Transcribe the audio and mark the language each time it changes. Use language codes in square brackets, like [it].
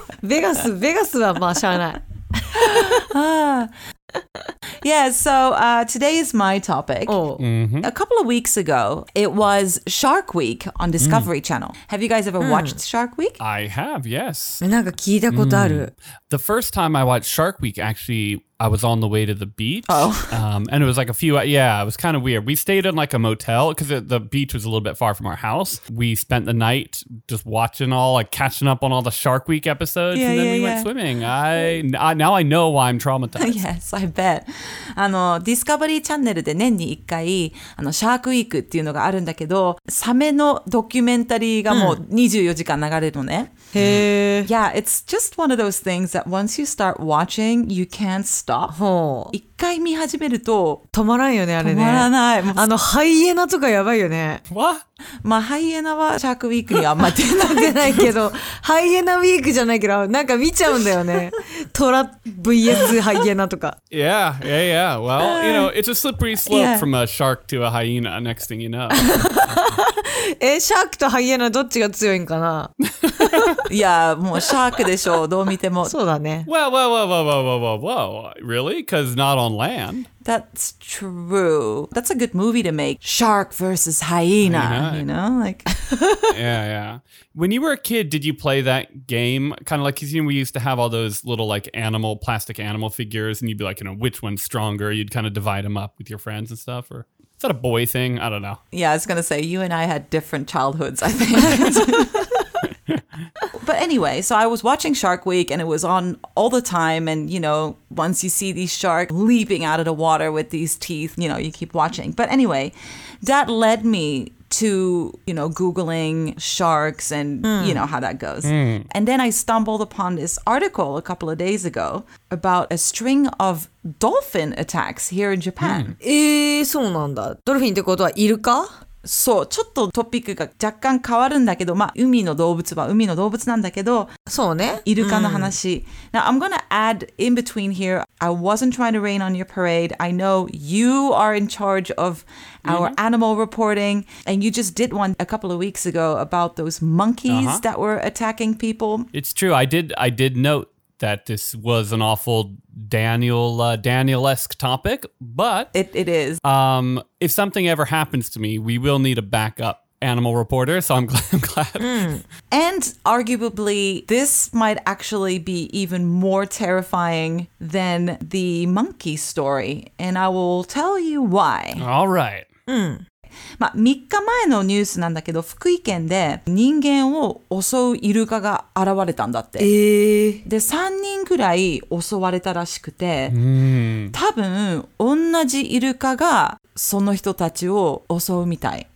[ja] Vegas, Vegas はまあしゃあない。 [en] Yeah, so today is my topic. Oh. Mm-hmm. A couple of weeks ago, it was Shark Week on Discovery Channel. Have you guys ever watched Shark Week? I have, yes. [ja] なんか聞いたことある。 [en] The first time I watched Shark Week, actually, I was on the way to the beach. Oh. And it was like a few, yeah, it was kind of weird. We stayed in like a motel because the beach was a little bit far from our house. We spent the night just watching all, like catching up on all the Shark Week episodes. Yeah, and then we went swimming. Now I know why I'm traumatized. Yes, I bet. [ja] Discovery Channel で年に一回、Shark Week っていうのがあるんだけど、サメのドキュメンタリーがもう24時間流れるのね。へー。 [en] Yeah, it's just one of those things that once you start watching, you can't stop. [ja] 一回見始めると、止まらんよね、あれね。止まらない。ハイエナとかやばいよね。 [en] What? [ja] まあ、ハイエナはShark Weekにあんま出なくないけど、ハイエナウィークじゃないけど、なんか見ちゃうんだよね。トラ VS ハイエナとか。 [en] Yeah, yeah, yeah. Well, you know, it's a slippery slope from a shark to a hyena, next thing you know. [ja] え、シャークとハイエナどっちが強いんかな？いや、もうシャークでしょう、どう見ても。そうだね。 [en] Well, well, well, well, well, well, well, well, really? Because not on land. That's true. That's a good movie to make. Shark versus hyena, you know? Like. Yeah, yeah. When you were a kid, did you play that game? Kind of like, you know, we used to have all those little like animal, plastic animal figures, and you'd be like, you know, which one's stronger? You'd kind of divide them up with your friends and stuff, or... Is that a boy thing? I don't know. Yeah, I was going to say, you and I had different childhoods, I think. But anyway, so I was watching Shark Week and it was on all the time. And, you know, once you see these sharks leaping out of the water with these teeth, you know, you keep watching. But anyway, that led me to, you know, Googling sharks and, you know, how that goes. Mm. And then I stumbled upon this article a couple of days ago about a string of dolphin attacks here in Japan. [ja] そうなんだ。ドルフィンってことはイルカ？そう、ちょっとトピックが若干変わるんだけど、まあ、海の動物は海の動物なんだけど、そうね。イルカの話。 [en] Now, I'm gonna add in between here. I wasn't trying to rain on your parade. I know you are in charge of our animal reporting, and you just did one a couple of weeks ago about those monkeys that were attacking people. It's true. I did note that this was an awful Daniel-esque topic, but... It is. If something ever happens to me, we will need a backup animal reporter, so I'm glad. And arguably, this might actually be even more terrifying than the monkey story, and I will tell you why. All right. [ja] まあ、3日前のニュースなんだけど、福井県で人間を襲うイルカが現れたんだって。で、3人くらい襲われたらしくて、多分同じイルカがその人たちを襲うみたい。